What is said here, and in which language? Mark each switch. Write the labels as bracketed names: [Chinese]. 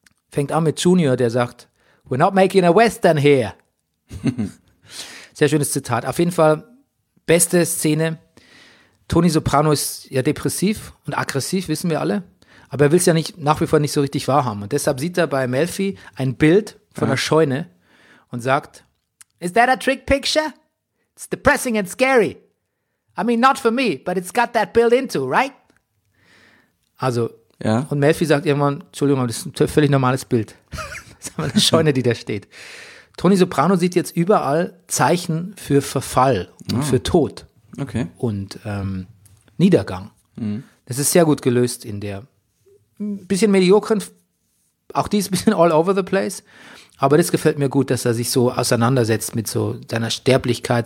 [German] Fängt an mit Junior, der sagt, [English] we're not making a Western here. [German] Sehr schönes Zitat. Auf jeden Fall, beste Szene. Tony Soprano ist ja depressiv und aggressiv, wissen wir alle. Aber er will es ja nach wie vor nicht so richtig wahrhaben. Und deshalb sieht er bei Melfi ein Bild von einer Scheune und sagt, [English] is that a trick picture? It's depressing and scary. I mean, not for me, but it's got that built into, right? [German] Also, und Melfi sagt irgendwann, Entschuldigung, das ist ein völlig normales Bild. Das ist aber eine Scheune, die da steht. Tony Soprano sieht jetzt überall Zeichen für Verfall und für Tod. Okay. Und Niedergang. Das ist sehr gut gelöst in der bisschen mediokren, auch die ist ein bisschen [English] all over the place, [German] aber das gefällt mir gut, dass er sich so auseinandersetzt mit so seiner Sterblichkeit.